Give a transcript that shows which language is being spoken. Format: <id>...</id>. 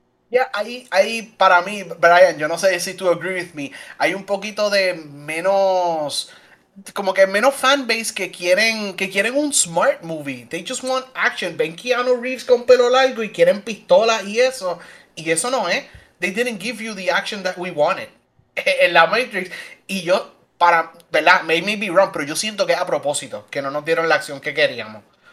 <es>Yeah, ahí para mí, Brian, yo no sé si tú</es> <en>agree with me,</en> <es>hay un poquito de menos, como que menos fanbase que quieren un smart movie.</es> <en>They just want action.</en> <es>Ven Keanu Reeves con pelo largo y quieren pistolas y eso. Y eso no es.</es> <en>They didn't give you the action that we wanted.</en> <es>En la Matrix, y yo, para, ¿verdad?</es> <en>Maybe be wrong,</en> <es>pero yo siento que es a propósito, que no nos dieron la acción que queríamos.</es>